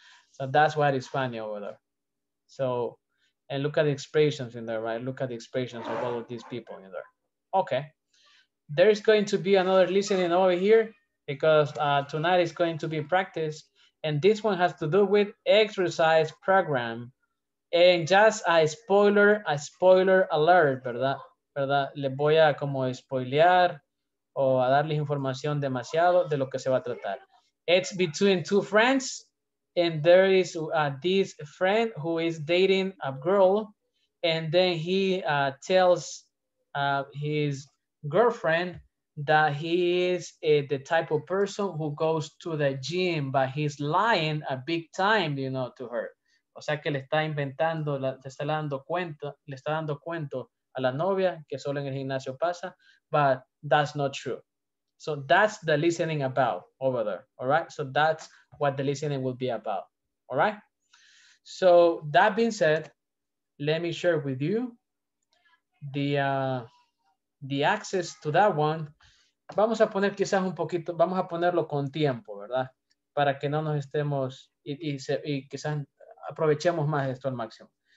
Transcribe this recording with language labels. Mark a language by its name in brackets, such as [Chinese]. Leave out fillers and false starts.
[English] So that's why it's funny over there. So, and look at the expressions in there, right? Look at the expressions of all of these people in there. Okay. There's going to be another listening over here because tonight is going to be practice. And this one has to do with exercise program. And just a spoiler alert, ¿verdad? [Spanish] Les voy a como spoilear o a darles información demasiado de lo que se va a tratar. [English] It's between two friends. And there is this friend who is dating a girl. And then he tells his girlfriend that he is the type of person who goes to the gym, but he's lying a big time, you know, to her. [Spanish] O sea que le está inventando, le está dando cuento a la novia que solo en el gimnasio pasa, [English] but that's not true. So that's the listening about over there, all right? So that's what the listening will be about, all right? So that being said, let me share with you the access to that one. [Spanish] Vamos a poner quizás un poquito, vamos a ponerlo con tiempo, ¿verdad? Para que no nos estemos y quizás aprovechemos más esto al máximo.